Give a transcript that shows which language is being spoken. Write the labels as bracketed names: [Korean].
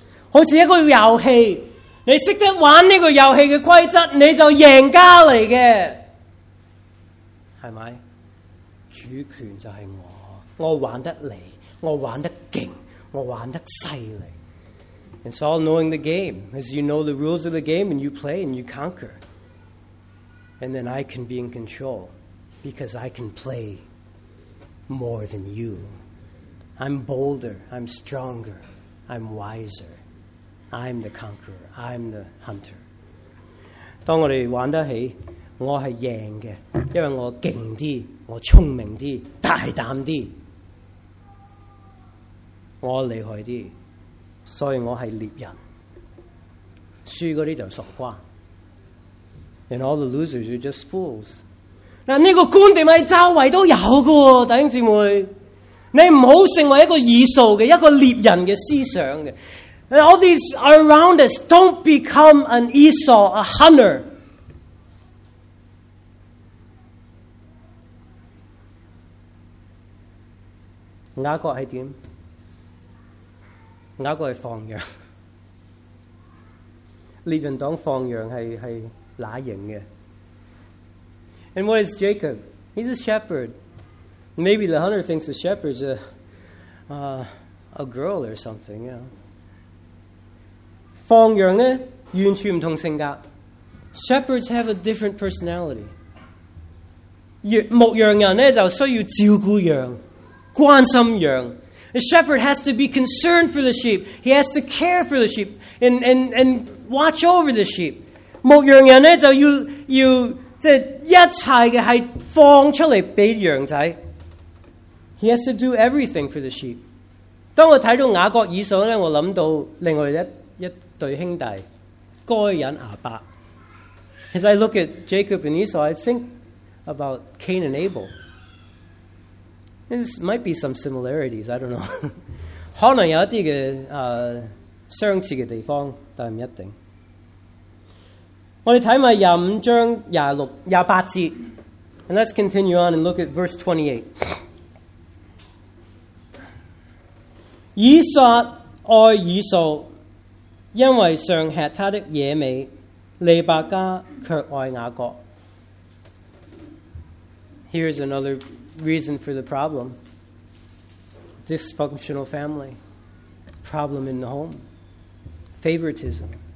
[Chinese] 好像一个游戏，你懂得玩这个游戏的规则，你就赢家来的。是不是？主权就是我。我玩得来，我玩得劲，我玩得犀利。 [English] It's all knowing the game, as you know the rules of the game, and you play and you conquer. And then I can be in control, because I can play more than you. I'm bolder, I'm stronger, I'm wiser. I'm the conqueror, I'm the hunter. [Chinese] 当我们玩得起，我是赢的，因为我劲啲，我聪明啲，大胆啲，我厉害啲。所以我是猎人，输那些就傻瓜。 [English] And all the losers are just fools. [Chinese] 这个观点是周围都有的，弟兄姊妹，你不要成为一个以扫的，一个猎人的思想的。 [English] And all these are around us, don't become an Esau, a hunter. [Chinese] 雅各是怎样？雅各是放羊。列人党放羊是哪型的？ [English] And what is Jacob? He's a shepherd. Maybe the hunter thinks the shepherd's a girl or something. You know. [Chinese] 放羊呢完全不同性格。 [English] Shepherds have a different personality. [Chinese] 牧羊人呢就需要照顾羊。关心羊。 [English] The shepherd has to be concerned for the sheep. He has to care for the sheep and watch over the sheep. [Chinese] 牧羊人呢就要即一切嘅系放出嚟俾羊仔。 [English] He has to do everything for the sheep. [Chinese] 当我睇到雅各以扫呢我諗到另外一对兄弟该隐亚伯。 [English] As I look at Jacob and Esau, I think about Cain and Abel. There might be some similarities, I don't know. [Chinese] 可能有一些相似的地方，但不一定。我们看看25章26、28节。 [English] And let's continue on and look at verse 28. [Chinese] 以撒爱以扫，因为尚吃他的野味，利百加却爱雅各。 [English] Here's another. Reason for the problem. Dysfunctional family. Problem in the home. Favoritism.